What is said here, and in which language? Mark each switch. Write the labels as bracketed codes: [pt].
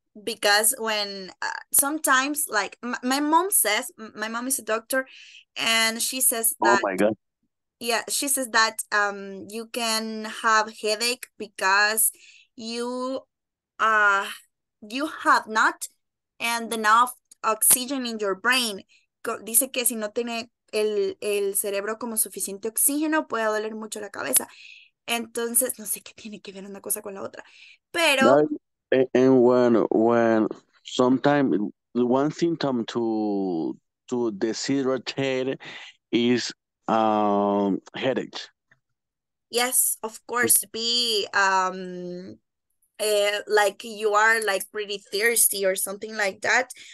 [en] Because when sometimes, like my mom says, my mom is a doctor, and she says that, oh my God. Yeah, she says that you can have headache because you have not and enough oxygen in your brain. [es] Dice que si no tiene el cerebro como suficiente oxígeno, puede doler mucho la cabeza. Entonces, no sé qué tiene que ver una cosa con la otra, pero. No. [en] And when sometimes one symptom to deshydrate is headache. Yes, of course. Be like you are like pretty thirsty or something like that.